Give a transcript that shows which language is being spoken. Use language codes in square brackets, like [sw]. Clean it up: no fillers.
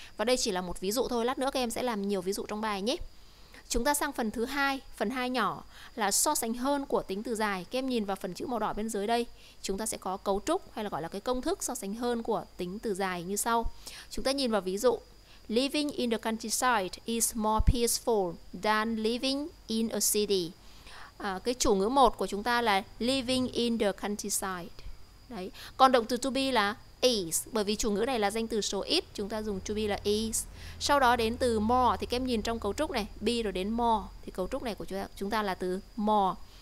[vi] Và đây chỉ là một ví dụ thôi, lát nữa các em sẽ làm nhiều ví dụ trong bài nhé. Chúng ta sang phần thứ hai, phần hai nhỏ là so sánh hơn của tính từ dài. Các em nhìn vào phần chữ màu đỏ bên dưới đây, chúng ta sẽ có cấu trúc hay là gọi là cái công thức so sánh hơn của tính từ dài như sau. Chúng ta nhìn vào ví dụ: [en] living in the countryside is more peaceful than living in a city. [vi] Cái chủ ngữ một của chúng ta là [en] living in the countryside. [vi] Đấy. Còn động từ to be là is, bởi vì chủ ngữ này là danh từ số ít, chúng ta dùng to be là is. Sau đó đến từ more, thì các em nhìn trong cấu trúc này, be rồi đến more, thì cấu trúc này của chúng ta là từ more.